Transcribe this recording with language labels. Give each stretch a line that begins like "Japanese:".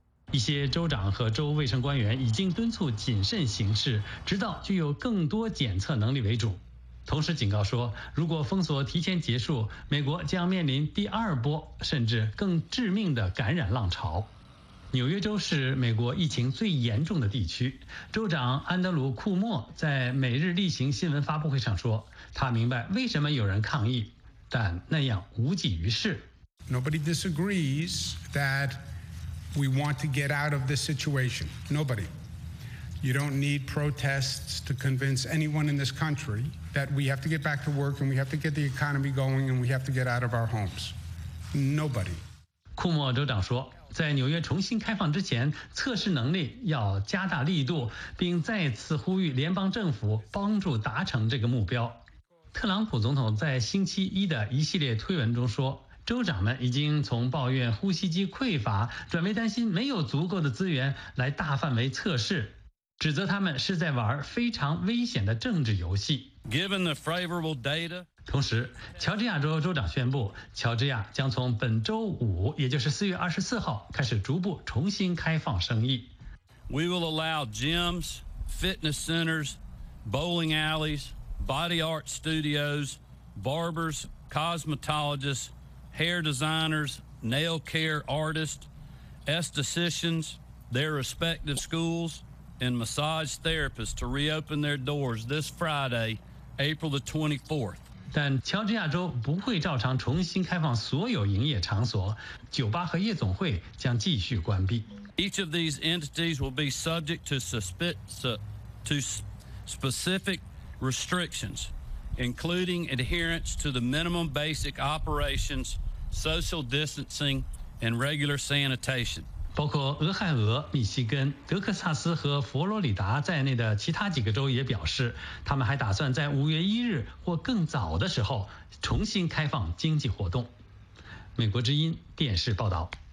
Chinese: 一些州长和州卫生官员已经敦促谨慎行事，直到具有更多检测能力为主，同时警告说，如果封锁提前结束，美国将面临第二波甚至更致命的感染浪潮。纽约州是美国疫情最严重的地区，州长安德鲁·库莫在每日例行新闻发布会上说，他明白为什么有人抗议，但那样无济于事。
English: Nobody disagrees that we want to get out of this situation. Nobody. You don't need protests to convince anyone in this country that we have to get back to work and we have to get the economy going and we have to get out of our homes. Nobody.
Chinese: 库莫州长说，在纽约重新开放之前，测试能力要加大力度，并再次呼吁联邦政府帮助达成这个目标。特朗普总统在星期一的一系列推文中说，州长们已经从抱怨呼吸机匮乏转为担心没有足够的资源来大范围测试，指责他们是在玩非常危险的政治游戏。
English: Given the favorable data，
Chinese: 同时，乔治亚州州长宣布，乔治亚将从本周五，也就是4月24号开始逐步重新开放生意。
English: We will allow gyms, fitness centers, bowling alleys, body art studios, barbers, cosmetologists, hair designers, nail care artists, estheticians, their respective schools, and massage therapists to reopen their doors this Friday, April the 24th.
Chinese: 但乔治亚州不会照常重新开放所有营业场所，酒吧和夜总会将继续关闭。
English: Each of these entities will be subject to specific restrictions, including adherence to the minimum basic operations, social distancing, and regular sanitation.
Chinese: 包括俄亥俄、密西根、德克萨斯和佛罗里达在内的其他几个州也表示，他们还打算在5月1日或更早的时候重新开放经济活动。美国之音电视报道。